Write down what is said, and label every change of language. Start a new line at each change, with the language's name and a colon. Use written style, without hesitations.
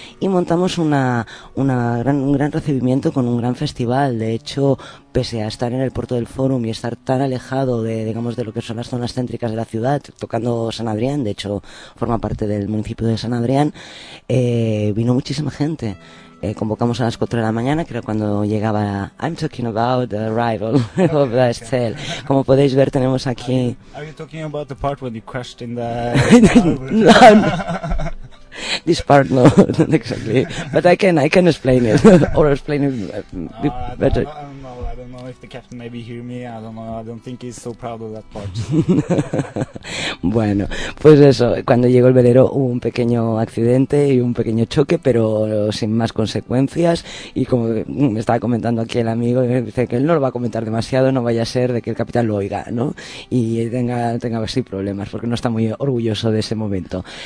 Spanish: Y montamos un gran recibimiento con un gran festival. De hecho, pese a estar en el puerto del Fórum y estar tan alejado de lo que son las zonas céntricas de la ciudad, tocando San Adrián, de hecho forma parte del municipio de San Adrián, vino muchísima gente. Convocamos a las 4 de la mañana, creo, cuando llegaba.
English: I'm talking about the arrival of the Estel.
Spanish: Como podéis ver, tenemos aquí.
English: Are you talking about the part when you crashed in the No. This part, no, not exactly. But I can explain it. Or explain it better. I don't know if the captain maybe hear me. I don't know. I don't think he's so proud of that part.
Spanish: Bueno, pues eso. Cuando llegó el velero hubo un pequeño accidente y un pequeño choque, pero sin más consecuencias. Y como me estaba comentando aquí el amigo, dice que él no lo va a comentar demasiado, no vaya a ser de que el capitán lo oiga, ¿no? Y tenga así problemas, porque no está muy orgulloso de ese momento.